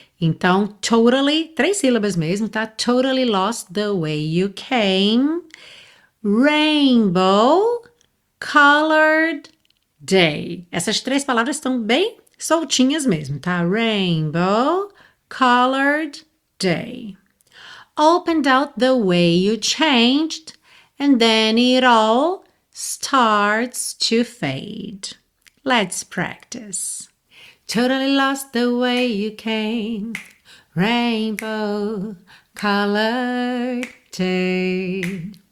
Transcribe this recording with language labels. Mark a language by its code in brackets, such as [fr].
[pt] Então, totally, três sílabas mesmo, tá? [en] Totally lost the way you came. Rainbow colored day. [pt] Essas três palavras estão bem soltinhas mesmo, tá? [en] Rainbow colored day. Opened out the way you changed, and then it all starts to fade. Let's practice. Totally lost the way you came. Rainbow colored day.